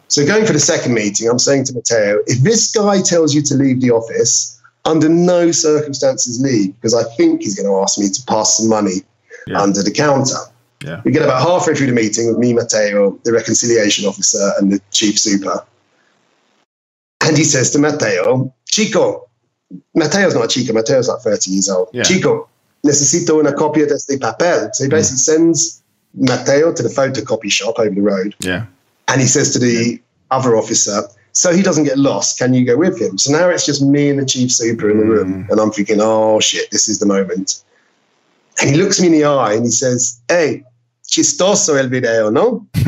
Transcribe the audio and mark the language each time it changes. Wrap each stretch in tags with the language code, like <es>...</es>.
<en>So going for the second meeting, I'm saying to Matteo, if this guy tells you to leave the office, under no circumstances leave, because I think he's going to ask me to pass some money under the counter. Yeah. We get about halfway through the meeting with me, Matteo, the reconciliation officer, and the chief super. And he says to Matteo, Chico, Matteo's not a chico, Matteo's like 30 years old. Yeah.</en> <es>Chico, necesito una copia de este papel.</es> <en>So he basically sends Matteo to the photocopy shop over the road. Yeah. And he says to the other officer, so he doesn't get lost, can you go with him? So now it's just me and the chief super in the room. And I'm thinking, oh, shit, this is the moment. And he looks me in the eye and he says, hey,</en> <es>chistoso el video, no?</es>